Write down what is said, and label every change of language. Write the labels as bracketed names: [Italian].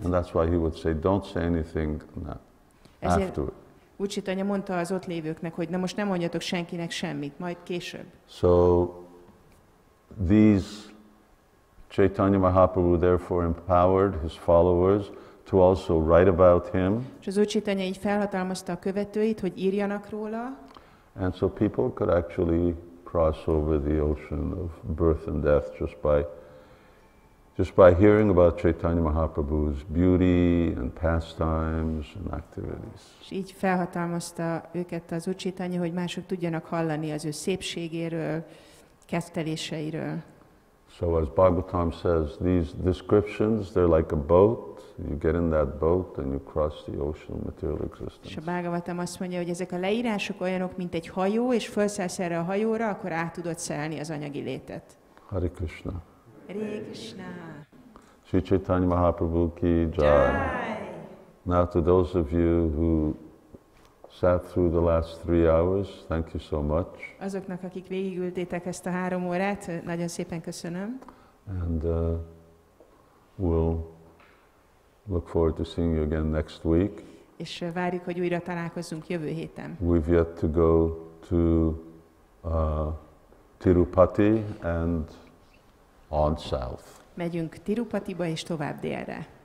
[English] And that's why he would say, don't say anything afterward. [Hungarian] Úr Csétanya mondta az ott lévőknek, hogy na most nem mondjatok senkinek semmit, majd később. [English] So these Chaitanya Mahaprabhu therefore empowered his followers to also write about him. [Hungarian] És az Úr Csétanya így felhatalmazta a követőit, hogy írjanak róla. [English] And so people could actually cross over the ocean of birth and death just by hearing about Chaitanya Mahaprabhu's beauty and pastimes and activities. [Hungarian] És így felhatalmazta őket az Úr Csétanya, hogy mások tudjanak hallani az ő szépségéről, kezdeléseiről. [English] So as Bhagavatam says, these descriptions, they're like a boat. You get in that boat and you cross the ocean of material existence. [Hungarian] És a Bhagavatam azt mondja, hogy ezek a leírások olyanok, mint egy hajó, és felszállsz erre a hajóra, akkor át tudod szelni az anyagi létet. [Sanskrit] Hare Krishna. Hare Krishna. Sri Chaitanya Mahaprabhu ki jai. [English] Now to those of you who sat through the last 3 hours, thank you so much. [Hungarian] Azoknak, akik végigültétek ezt a 3 órát, nagyon szépen köszönöm. [English] And we'll look forward to seeing you again next week. [Hungarian] És várjuk, hogy újra találkozzunk jövő héten. [English] We've yet to go to Tirupati and on south. [Hungarian] Megyünk Tirupatiba és tovább délre.